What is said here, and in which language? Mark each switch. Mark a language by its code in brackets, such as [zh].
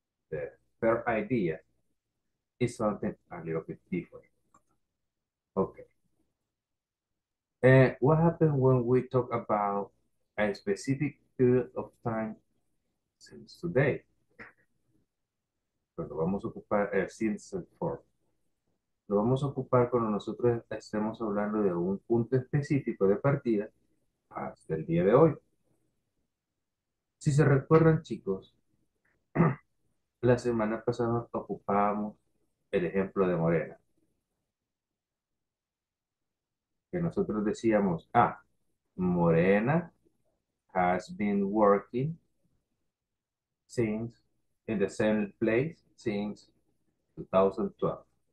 [en] The third idea is something a little bit different. Okay. What happens when we talk about a specific period of time since today? [es] Cuando vamos a ocupar since for. Lo vamos a ocupar cuando nosotros estemos hablando de un punto específico de partida hasta el día de hoy. Si se recuerdan, chicos, la semana pasada ocupábamos el ejemplo de Morena. Que nosotros decíamos, [en] Morena has been working since, in the same place, since 2012.